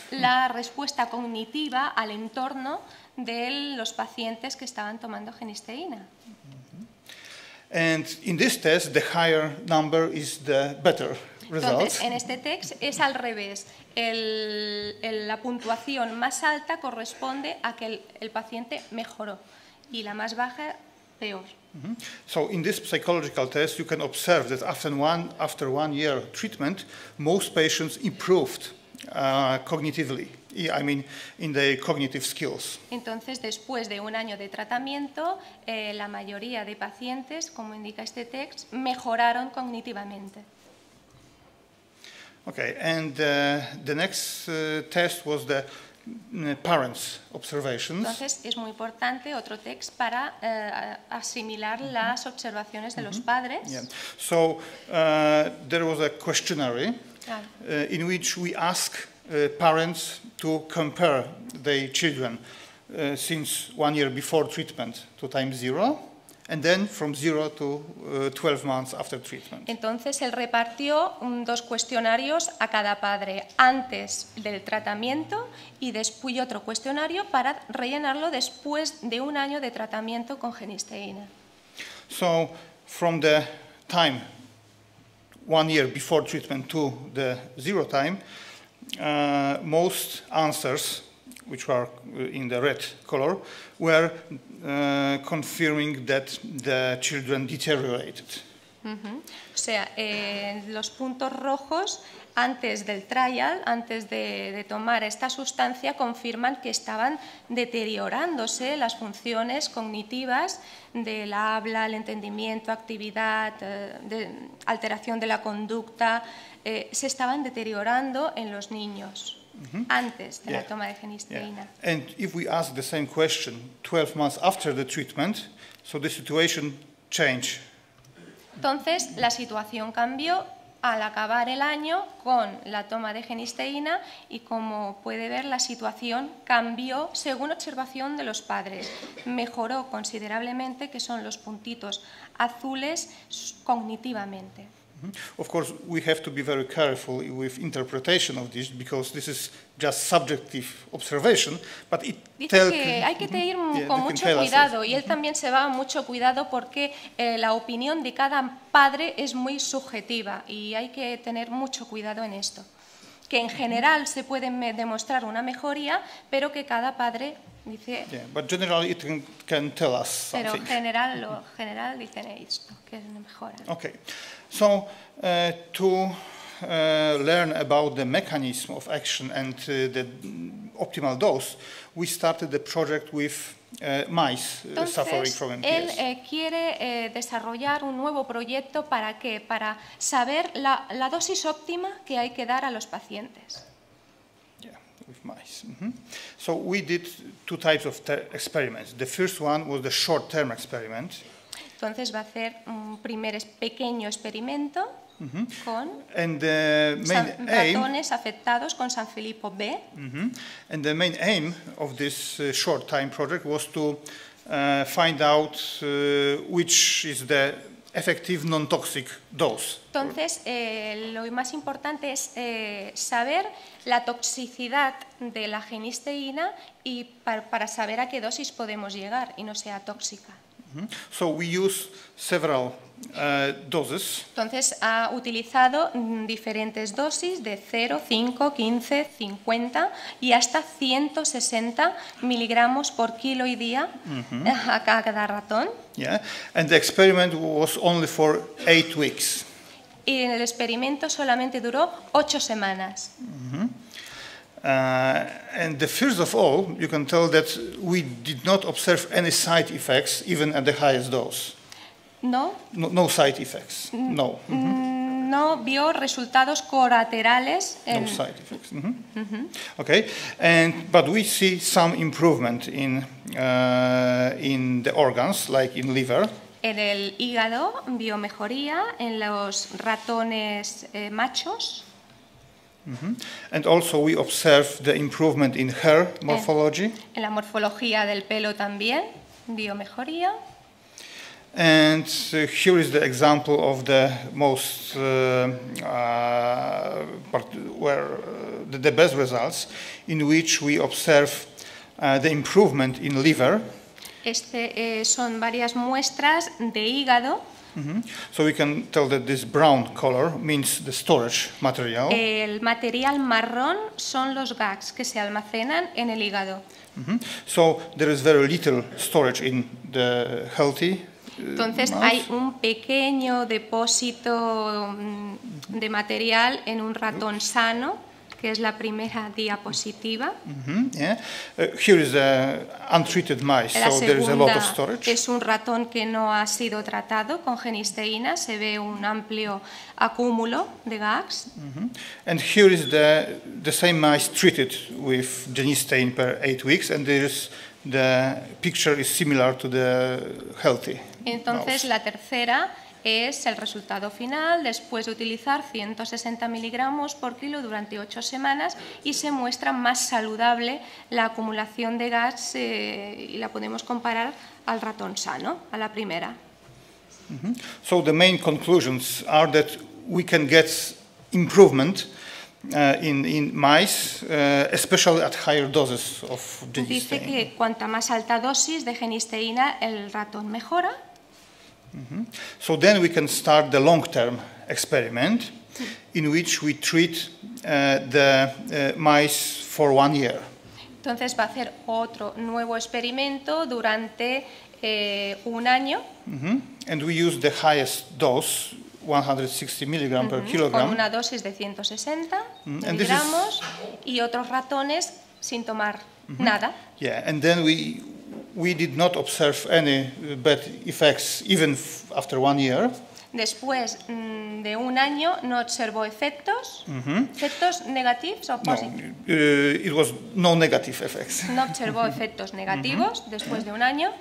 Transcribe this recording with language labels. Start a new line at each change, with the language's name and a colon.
Spanish: La respuesta cognitiva al entorno de los pacientes que estaban tomando genisteína.
English: And in this test, the higher number is the better results.
Spanish: Entonces, en este test es al revés. La puntuación más alta corresponde a que el paciente mejoró y la más baja peor.
English: So in this psychological test, you can observe that after 1 year treatment, most patients improved cognitively. I mean, in the cognitive skills.
Spanish: Entonces, después de un año de tratamiento, la mayoría de pacientes, como indica este text, mejoraron cognitivamente.
English: Okay, and the next test was the parents' observations.
Spanish: Entonces, es muy importante otro text para asimilar las observaciones de los padres.
English: Yeah. So, there was a questionnaire in which we ask parents to compare their children since 1 year before treatment to time zero, and then from zero to 12 months after treatment.
Spanish: Entonces, él repartió dos cuestionarios a cada padre antes del tratamiento y después otro cuestionario para rellenarlo después de un año de tratamiento con genisteína.
English: So, from the time 1 year before treatment to the zero time, most answers, which were in the red color, were confirming that the children deteriorated.
Spanish: O sea, los puntos rojos antes del trial, antes de tomar esta sustancia, confirman que estaban deteriorándose las funciones cognitivas del habla, el entendimiento, actividad, de alteración de la conducta, se estaban deteriorando en los niños antes de la toma de genisteína.
English: Yeah. And if we ask the same question 12 months after the treatment, so the situation changed.
Spanish: Entonces, la situación cambió al acabar el año con la toma de genisteína y, como puede ver, la situación cambió según observación de los padres. Mejoró considerablemente, que son los puntitos azules, cognitivamente.
English: Of course, we have to be very careful with interpretation of this because this is just subjective observation, but it tells.
Spanish: Hay que tener con mucho cuidado, y él también se va con mucho cuidado porque la opinión de cada padre es muy subjetiva, y hay que tener mucho cuidado en esto. Que en general se puede demostrar una mejoría, pero que cada padre dice.
English: Yeah, but generally it can tell us something.
Spanish: Pero general, lo general dicen esto, que es una mejora.
English: Okay. So, to learn about the mechanism of action and the optimal dose, we started the project with mice.
Spanish: Entonces,
English: suffering from MPS.
Spanish: Él quiere desarrollar un nuevo proyecto para qué? Para saber la dosis óptima que hay que dar a los pacientes.
English: Yeah, with mice. So we did two types of experiments. The first one was the short-term experiment.
Spanish: Entonces va a hacer un primer pequeño experimento con ratones afectados con Sanfilippo B.
English: And the main aim of this short time project was to find out which is the effective non-toxic dose.
Spanish: Entonces, lo más importante es saber la toxicidad de la genisteína y para saber a qué dosis podemos llegar y no sea tóxica.
English: So we use several doses.
Spanish: Entonces ha utilizado diferentes dosis de 0, 5, 15, 50 y hasta 160 miligramos por kilo y día a cada ratón.
English: Yeah, and the experiment was only for 8 weeks.
Spanish: Y el experimento solamente duró 8 semanas.
English: And the first of all, you can tell that we did not observe any side effects, even at the highest dose. No side effects. No.
Spanish: Mm-hmm. No vio resultados colaterales.
English: No side effects. Mm-hmm. Mm-hmm. Okay. But we see some improvement in the organs, like in liver.
Spanish: En el hígado vio mejoría en los ratones machos. Mm-hmm.
English: And also we observe the improvement in hair morphology.
Spanish: En la morfología del pelo también vio mejoría.
English: And here is the example of the most the best results, in which we observe the improvement in liver.
Spanish: Son varias muestras de hígado. Mm-hmm.
English: So we can tell that this brown color means the storage material.
Spanish: El material marrón son los GAGs que se almacenan en el hígado. Mm-hmm.
English: So there is very little storage in the healthy.
Spanish: Entonces hay un pequeño depósito de material en un ratón sano, que es la primera diapositiva.
English: Mm-hmm, yeah. Here is untreated mice,
Spanish: la
English: so there is a lot of storage.
Spanish: Es un ratón que no ha sido tratado con genisteína, se ve un amplio acúmulo de GAGs. Mm-hmm.
English: And here is the same mice treated with genistein per 8 weeks, and there is the picture is similar to the healthy.
Spanish: Entonces, la tercera es el resultado final después de utilizar 160 miligramos por kilo durante 8 semanas y se muestra más saludable la acumulación de gas y la podemos comparar al ratón sano, a la primera. Mm-hmm.
English: So the main conclusions are that we can get improvement in mice, especially at higher doses of genisteína.
Spanish: Dice que cuanta más alta dosis de genisteína el ratón mejora. Mm-hmm.
English: So then we can start the long-term experiment in which we treat the mice for 1 year.
Spanish: Entonces va a hacer otro nuevo experimento durante un año.
English: Mm-hmm. And we use the highest dose, 160 milligrams mm-hmm. per kilogram.
Spanish: Con una dosis de 160 mm-hmm. miligramos y otros ratones sin tomar mm-hmm. nada.
English: Yeah, and then we did not observe any bad effects even after 1 year.
Spanish: Después de un año no observó efectos, mm-hmm. efectos negativos o positivos.
English: No, it was no negative effects.
Spanish: No observó efectos negativos mm-hmm. después de un año.